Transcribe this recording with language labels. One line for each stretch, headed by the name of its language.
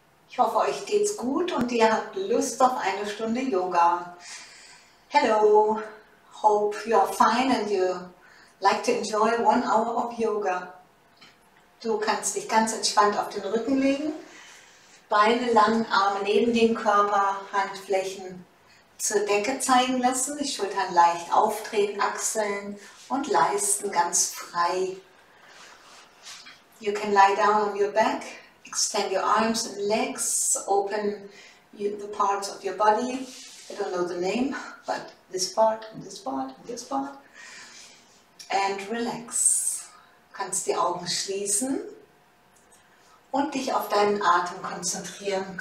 German: Ich hoffe, euch geht's gut und ihr habt Lust auf eine Stunde Yoga.
English: Hello, hope you're fine and you like to enjoy 1 hour of yoga.
German: Du kannst dich ganz entspannt auf den Rücken legen, Beine lang, Arme neben den Körper, Handflächen zur Decke zeigen lassen, die Schultern leicht auftreten, Achseln und Leisten ganz frei.
English: You can lie down on your back, extend your arms and legs, open the parts of your body. I don't know the name, but this part, this part, this part. And relax.
German: Du kannst die Augen schließen und dich auf deinen Atem konzentrieren.